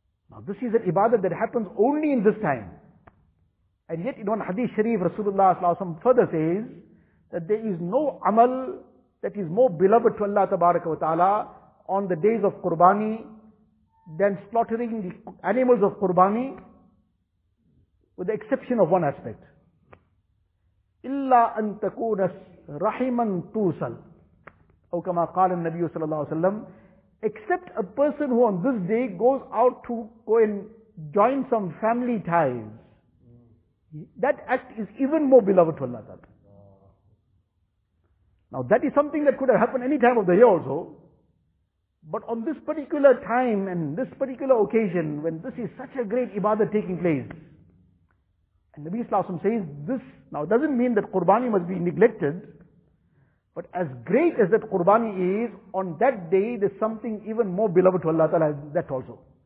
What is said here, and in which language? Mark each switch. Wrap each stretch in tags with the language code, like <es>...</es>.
<en>Now, this is an ibadah that happens only in this time. And yet, in one hadith sharif, Rasulullah ﷺ further says that there is no amal that is more beloved to Allah tabaraka wa ta'ala on the days of Qurbani than slaughtering the animals of Qurbani, with the exception of one aspect.</en> <ar>إِلَّا أَن تَكُونَ رَحِمًا تُوصَلْ أو كما قال النبي صلى الله عليه وسلم.</ar> <en>Except a person who on this day goes out to go and join some family ties. That act is even more beloved to Allah Ta'ala. Now that is something that could have happened any time of the year also. But on this particular time and this particular occasion, when this is such a great ibadah taking place, and Nabi Sallallahu Alaihi Wasallam says this, now it doesn't mean that Qurbani must be neglected, but as great as that Qurbani is, on that day there's something even more beloved to Allah Ta'ala, that also.</en>